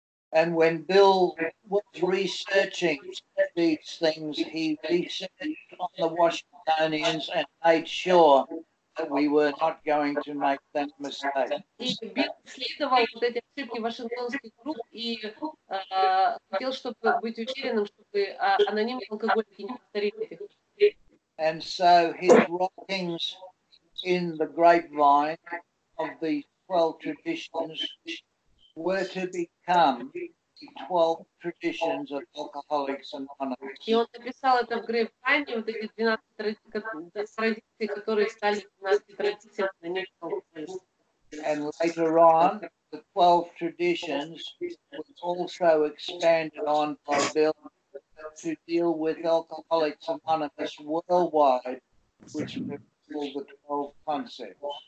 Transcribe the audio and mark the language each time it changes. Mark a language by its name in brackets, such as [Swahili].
[English] And when Bill was researching these things, he researched on the Washingtonians and made sure that we were not going to make that mistake. [Russian] Bill исследовал вот эти ошибки Вашингтонских групп и хотел, чтобы быть уверенным, чтобы анонимные алкоголики не повторили этих. [English] And so his writings in the grapevine of the 12 traditions were to become the 12 traditions of Alcoholics Anonymous. [Russian] И он написал это в грейпвайне, вот эти 12 традиций, которые стали 12 традициями. [English] And later on, the 12 traditions were also expanded on by Bill to deal with Alcoholics Anonymous worldwide, which we call the 12 concepts.